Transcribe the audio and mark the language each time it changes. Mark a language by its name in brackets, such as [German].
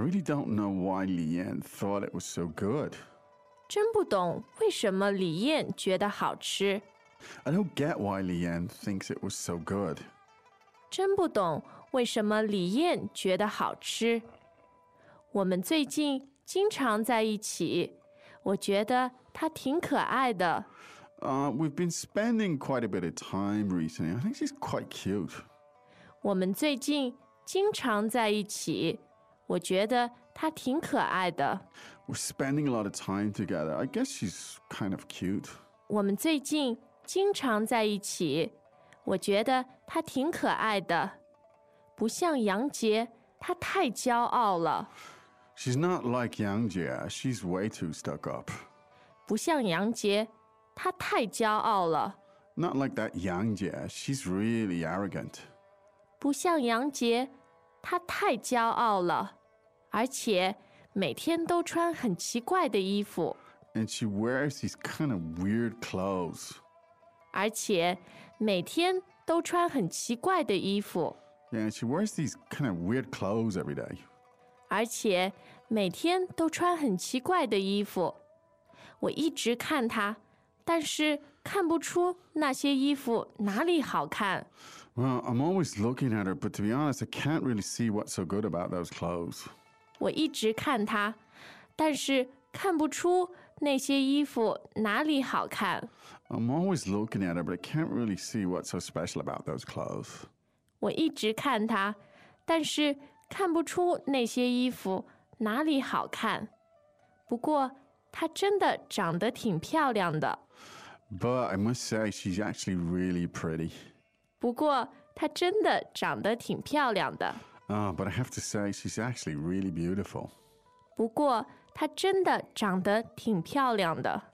[English] really don't know why Li Yan thought it was so good. [Chinese] 真不懂为什么李燕觉得好吃。 [English] I don't get why Li Yan thinks it was so good. [Chinese] 真不懂为什么李燕觉得好吃。我们最近经常在一起，我觉得她挺可爱的。 [English] We've been spending quite a bit of time recently. I think she's quite cute. [Chinese] 我们最近经常在一起，我觉得她挺可爱的。 [English] We're spending a lot of time together. I guess she's kind of cute. [Chinese] 我们最近经常在一起，我觉得她挺可爱的。不像杨杰，她太骄傲了。 [English] She's not like Yang Jie. She's way too stuck up. [Chinese] 不像杨杰，她太骄傲了。 [English] Not like that Yang Jie. She's really arrogant. [Chinese] 不像杨杰，他太骄傲了，而且每天都穿很奇怪的衣服。 [English] And she wears these kind of weird clothes. [Chinese] 而且每天都穿很奇怪的衣服。 [English] Yeah, she wears these kind of weird clothes every day. [Chinese] 而且每天都穿很奇怪的衣服。我一直看她，但是看不出那些衣服哪里好看。 [English] Well, I'm always looking at her, but to be honest, I can't really see what's so good about those clothes. [Chinese] 我一直看她，但是看不出那些衣服哪里好看。 [English] I'm always looking at her, but I can't really see what's so special about those clothes. [Chinese] 我一直看她，但是看不出那些衣服哪里好看。不过她真的长得挺漂亮的。 [English] But I must say, she's actually really pretty. [Chinese] 不过她真的长得挺漂亮的。 [English] But I have to say, she's actually really beautiful. [Chinese] 不过她真的长得挺漂亮的。